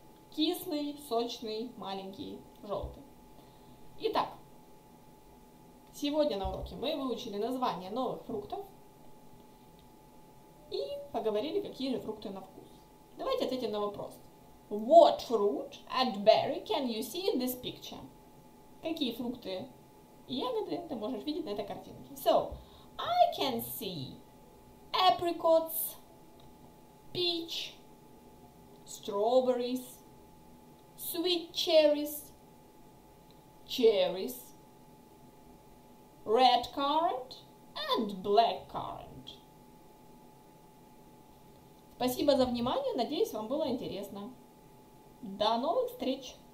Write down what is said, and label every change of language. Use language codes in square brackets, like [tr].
[ru] Кислый, сочный, маленький, желтый. Итак, сегодня на уроке мы выучили названия новых фруктов и поговорили, какие же фрукты на вкус. Давайте ответим на вопрос. [en] What fruit and berry can you see in this picture? [ru] Какие фрукты и ягоды ты можешь видеть на этой картинке? [en] So, I can see apricots, peach, strawberries, sweet cherries, cherries, red currant and black currant. [ru] Спасибо за внимание, надеюсь, вам было интересно. До новых встреч!